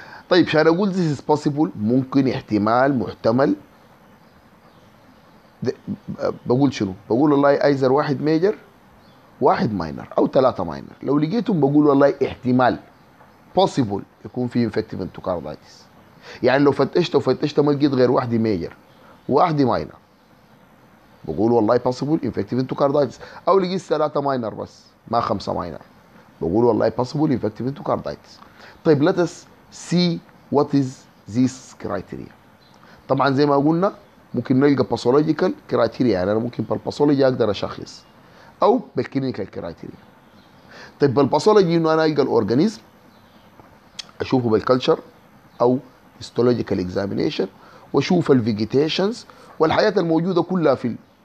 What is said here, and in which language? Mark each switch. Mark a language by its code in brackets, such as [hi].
[ar] طيب عشان اقول this is possible ممكن احتمال محتمل بقول شنو؟ بقول والله ايزر [en] 1 major 1 minor [ar] او 3 minor لو لقيتهم بقول والله احتمال possible يكون في infective endocarditis يعني لو فتشت وفتشت ما لقيت غير واحدة ميجر واحدة ماينر بقول والله [en] possible infective endocarditis [ar] او لقيت ثلاثة ماينر بس ما خمسة ماينر بقول والله possible infective endocarditis. [en] طيب let us see what is this criteria. [ar] طبعا زي ما قلنا ممكن نلقى pathological criteria يعني انا ممكن بالباثولوجي اقدر اشخص او بالكلينيكال كرايتيريا. طيب بالباثولوجي انه انا القى الاورجانيزم اشوفه بالكلتشر او [en] histological examination [ar] واشوف الفيجيتيشنز والحياة الموجودة كلها في